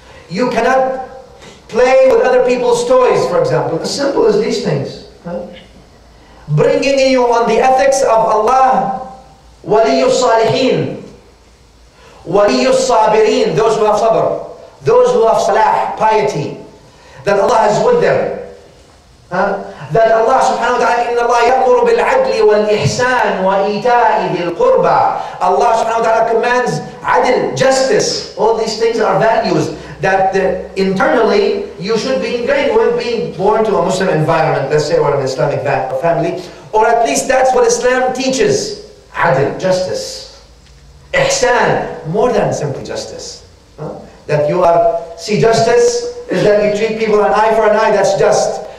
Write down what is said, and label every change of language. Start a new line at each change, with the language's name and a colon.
English: You cannot play with other people's toys, for example. As simple as these things. Huh? bringing you on the ethics of Allah,
Arabic: ولي الصالحين, ولي الصابرين,
English: those who have sabr, those who have salah, piety, that Allah is with them. That Allah subhanahu wa ta'ala,
Arabic: إِنَّ اللَّهَ يَأْمُرُ بِالْعَدْلِ وَالْإِحْسَانِ وَإِيْتَاءِ ذِي الْقُرْبَى.
English: Allah subhanahu wa ta'ala commands adil, justice. All these things are values that internally you should be ingrained with being born to a Muslim environment, let's say, or an Islamic family. Or at least that's what Islam teaches. Adil, justice. Ihsan, more than simply justice. That you are, see, justice is that you treat people an eye for an eye, that's just.